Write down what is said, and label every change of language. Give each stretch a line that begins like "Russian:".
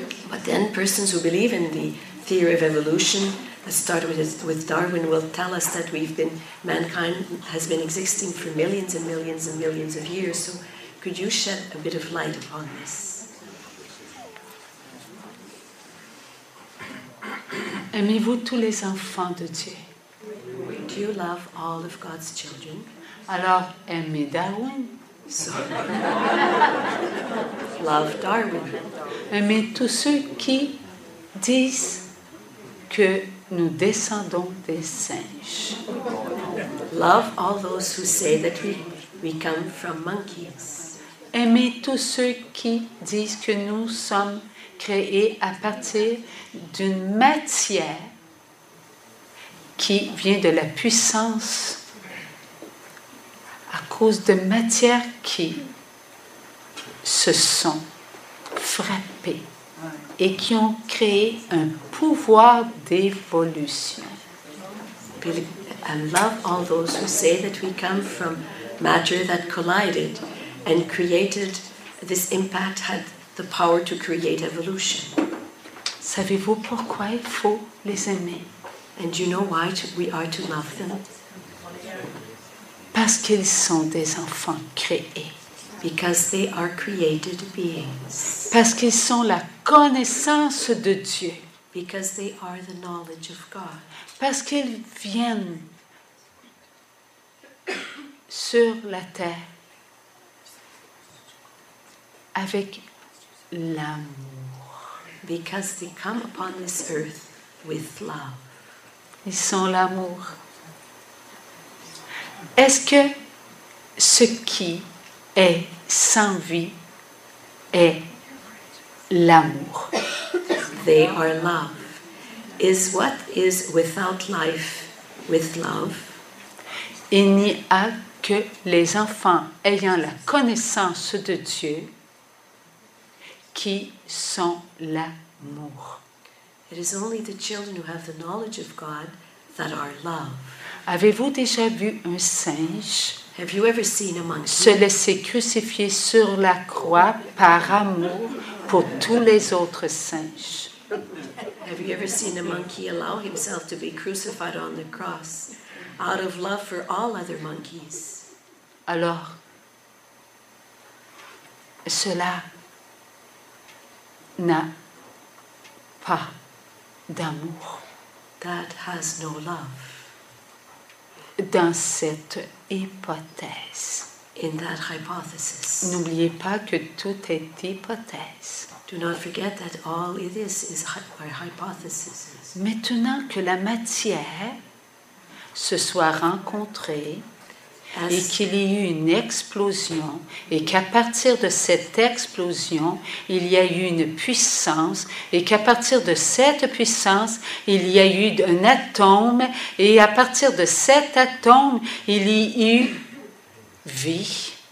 English: But then persons who believe in the theory of evolution that started with Darwin will tell us that mankind has been existing for millions and millions and millions of years. So could you shed a bit of light upon this?
French: Aimez-vous tous les enfants de Dieu?
English: do you love all of God's children?
French: Alors, aimez Darwin.
English: So, love Darwin.
French: Aimez tous ceux qui disent que nous descendons des singes.
English: Love all those who say that we come from monkeys.
French: Aimez tous ceux qui disent que nous sommes créés à partir d'une matière qui vient de la puissance à cause de matières qui se sont frappées et qui ont créé un pouvoir d'évolution.
English: I love all those who say that we come from matter that collided and created this impact had the power to create evolution.
French: Savez-vous pourquoi il faut les aimer?
English: And you know why we are to love them?
French: Parce qu'ils sont des enfants créés.
English: Because they are created beings.
French: Parce qu'ils sont la connaissance de Dieu.
English: Because they are the knowledge of God.
French: Parce qu'ils viennent sur la terre avec l'amour.
English: Because they come upon this earth with love.
French: Ils sont l'amour. Est-ce que ce qui est sans vie est l'amour?
English: They are love. Is what is without life with love?
French: Il n'y a que les enfants ayant la connaissance de Dieu qui sont l'amour.
English: It is only the children who have the knowledge of God that are love.
French: Avez-vous déjà vu un singe?
English: Have you ever seen a monkey?
French: Se laisser crucifier sur la croix par amour pour tous les autres singes?
English: Have you ever seen a monkey allow himself to be crucified on the cross out of love for all other monkeys?
French: Alors, cela n'a pas d'amour.
English: That has no love.
French: Dans cette hypothèse.
English: In that hypothesis.
French: N'oubliez pas que tout est hypothèse.
English: Do not forget that all it is hypothesis.
French: Maintenant que la matière se soit rencontrée et qu'il y eut une explosion, et qu'à partir de cette explosion, il y a eu une puissance, et qu'à partir de cette puissance, il y a eu un atome, et à partir de cet atome, il y eut vie.